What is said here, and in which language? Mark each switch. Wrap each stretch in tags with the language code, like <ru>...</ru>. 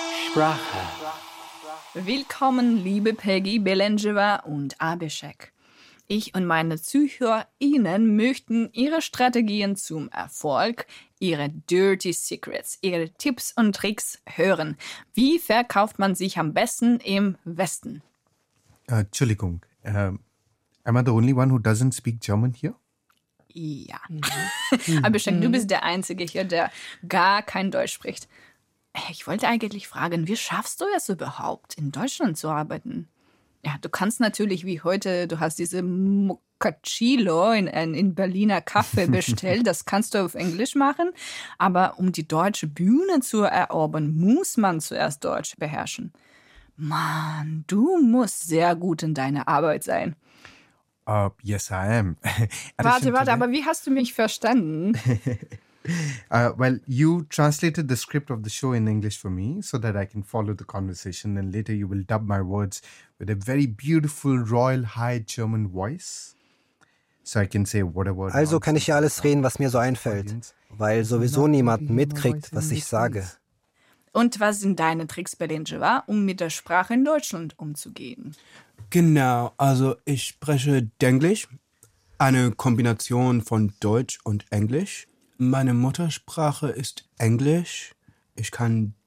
<de>Sprache. Willkommen, liebe Peggy Belenjewa und Abhishek. Ich und meine ZuhörerInnen möchten ihre Strategien zum Erfolg, ihre</de> <en>Dirty Secrets,</en> <de>ihre Tipps und Tricks hören. Wie verkauft man sich am besten im Westen? Entschuldigung,</de> <en>am I the only one who doesn't speak German here?</en> <de>Ja. Mhm. Abhishek, du bist der Einzige hier, der gar kein Deutsch spricht. Ich wollte eigentlich fragen, wie schaffst du es überhaupt, in Deutschland zu arbeiten? Ja, du kannst natürlich wie heute, du hast diese Mocaccino in Berliner Kaffee bestellt, das kannst du auf Englisch machen. Aber um die deutsche Bühne zu erobern, muss man zuerst Deutsch beherrschen. Mann, du musst sehr gut in deiner Arbeit sein.</de> <en>Yes, I am.</en> <de>warte, aber wie hast du mich verstanden?</de> <en>Well, you translated the script of the show in English for me so that I can follow the conversation, and later you will dub my words with a very beautiful royal high German voice so I can say whatever.</en> <de>Also kann ich ja alles reden, was mir so einfällt, weil sowieso niemand mitkriegt, was ich sage. Und was sind deine Tricks, Belenjewa, um mit der Sprache in Deutschland umzugehen? Genau, also ich spreche Denglisch, eine Kombination von Deutsch und Englisch. Meine Muttersprache ist Englisch. Ich kann</de>